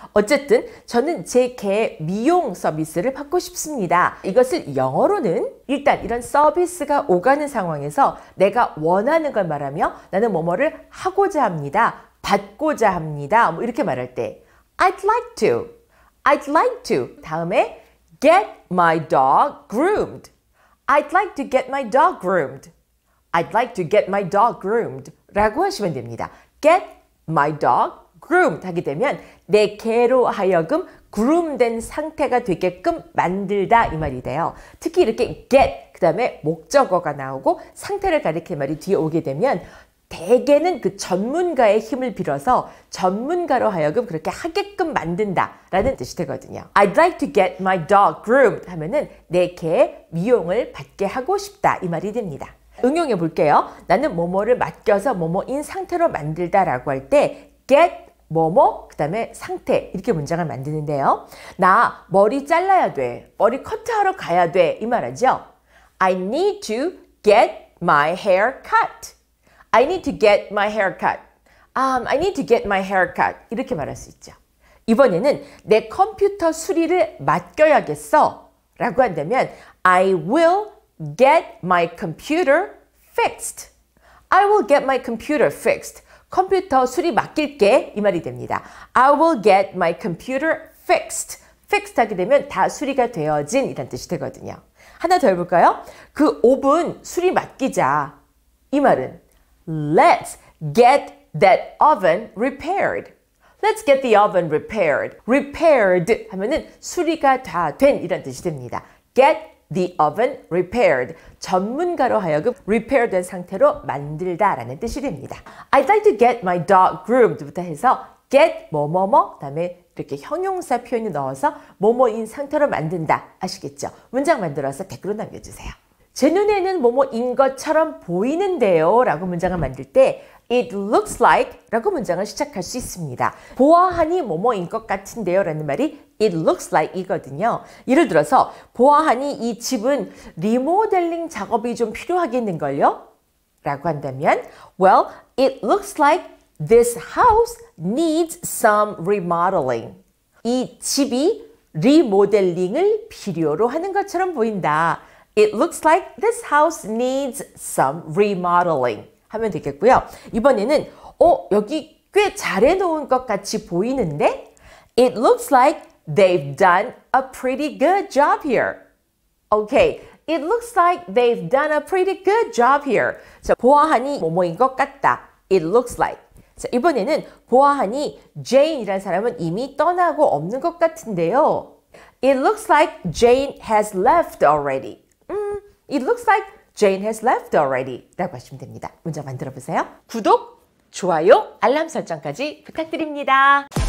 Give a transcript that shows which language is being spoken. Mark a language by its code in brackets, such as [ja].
[ko] 어쨌든 저는 제 개의 미용 서비스를 받고 싶습니다. 이것을 영어로는 일단 이런 서비스가 오가는 상황에서 내가 원하는 걸 말하며 나는 뭐뭐를 하고자 합니다. 받고자 합니다. 뭐 이렇게 말할 때 [en] I'd like to. [ko] 다음에 [en] get my dog groomed. I'd like to get my dog groomed. I'd like to get my dog groomed [ko] 라고 하시면 됩니다. [en] Get my dog groomed [ko] 하게 되면 내 개로 하여금 그룸된 상태가 되게끔 만들다 이 말이 돼요. 특히 이렇게 get 그다음에 목적어가 나오고 상태를 가리키는 말이 뒤에 오게 되면 대개는 그 전문가의 힘을 빌어서 전문가로 하여금 그렇게 하게끔 만든다라는 뜻이 되거든요. [en] I'd like to get my dog groomed [ko] 하면은 내 개의 미용을 받게 하고 싶다 이 말이 됩니다. 응용해 볼게요. 나는 뭐뭐를 맡겨서 뭐뭐인 상태로 만들다라고 할 때 get 뭐뭐 그다음에 상태 이렇게 문장을 만드는데요. 나 머리 잘라야 돼. 머리 커트하러 가야 돼. 이 말하죠. [en] I need to get my hair cut. I need to get my hair cut. I need to get my hair cut. [ko] 이렇게 말할 수 있죠. 이번에는 내 컴퓨터 수리를 맡겨야겠어 라고 한다면 [en] I will get my computer fixed. I will get my computer fixed. [ko] 컴퓨터 수리 맡길게 이 말이 됩니다. [en] I will get my computer fixed. [ko] fixed 하게 되면 다 수리가 되어진 이런 뜻이 되거든요. 하나 더 해볼까요? 그 오븐 수리 맡기자 이 말은 [en] Let's get that oven repaired. Let's get the oven repaired. [ko] Repaired 하면은 수리가 다 된 이런 뜻이 됩니다. [en] Get the oven repaired. [ko] 전문가로 하여금 repair 된 상태로 만들다라는 뜻이 됩니다. [en] I'd like to get my dog groomed [ko] 부터 해서 get 뭐뭐뭐 그다음에 이렇게 형용사 표현을 넣어서 뭐뭐인 상태로 만든다. 아시겠죠? 문장 만들어서 댓글로 남겨주세요. 제 눈에는 뭐뭐인 것처럼 보이는데요 라고 문장을 만들 때 [en] It looks like [ko] 라고 문장을 시작할 수 있습니다. 보아하니 뭐뭐인 것 같은데요 라는 말이 [en] It looks like [ko] 이거든요. 예를 들어서 보아하니 이 집은 리모델링 작업이 좀 필요하겠는걸요? 라고 한다면 [en] Well, it looks like this house needs some remodeling. [ko] 이 집이 리모델링을 필요로 하는 것처럼 보인다. [en] It looks like this house needs some remodeling [ko] 하면 되겠고요. 이번에는 여기 꽤 잘해 놓은 것 같이 보이는데 [en] It looks like they've done a pretty good job here. Okay. It looks like they've done a pretty good job here. [ko] 자, 보아하니 뭐뭐인 것 같다. [en] It looks like. [ko] 자, 이번에는 보아하니 제인이라는 사람은 이미 떠나고 없는 것 같은데요. [en] It looks like Jane has left already. It looks like Jane has left already. [ko] 라고 하시면 됩니다. 문장 만들어 보세요. 구독, 좋아요, 알람 설정까지 부탁드립니다.